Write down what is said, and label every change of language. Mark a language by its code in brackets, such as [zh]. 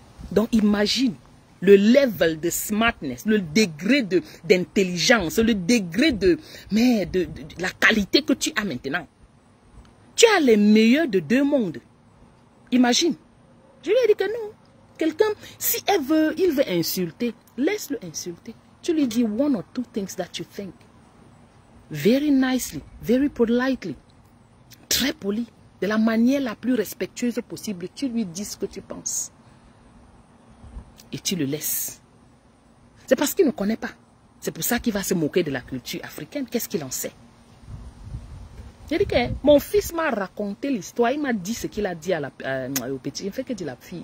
[fr] Donc imagine le level de smartness, le degré d'intelligence, le degré de la qualité que tu as maintenant. Tu as les meilleurs de deux mondes. Imagine. Je lui ai dit que non. Quelqu'un, si elle veut, il veut insulter, laisse-le insulter. Tu lui dis [en] one or two things that you think. Very nicely, very politely, [fr] très poli. De la manière la plus respectueuse possible, tu lui dis ce que tu penses. Et tu le laisses. C'est parce qu'il ne connaît pas. C'est pour ça qu'il va se moquer de la culture africaine. Qu'est-ce qu'il en sait? J'ai dit que mon fils m'a raconté l'histoire. Il m'a dit ce qu'il a dit au petit. Il fait que dit la fille.